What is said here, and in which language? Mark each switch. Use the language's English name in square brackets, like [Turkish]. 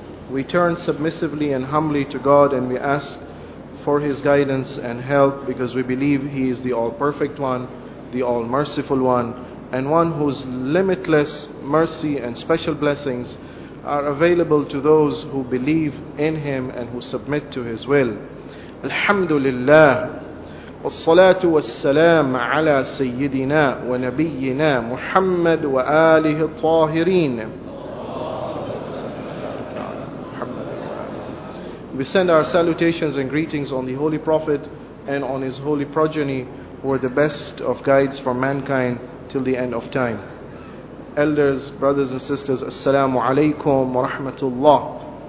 [English] We turn submissively and humbly to God and we ask for His guidance and help because we believe He is the all-perfect one, the all-merciful one, and one whose limitless mercy and special blessings are available to those who believe in Him and who submit to His will. Alhamdulillah. [Arabic] والصلاه والسلام على سيدنا ونبينا محمد وآله الطاهرين. [English] We send our salutations and greetings on the Holy Prophet and on his holy progeny, who are the best of guides for mankind till the end of time. Elders, brothers and sisters, assalamu alaykum wa rahmatullah.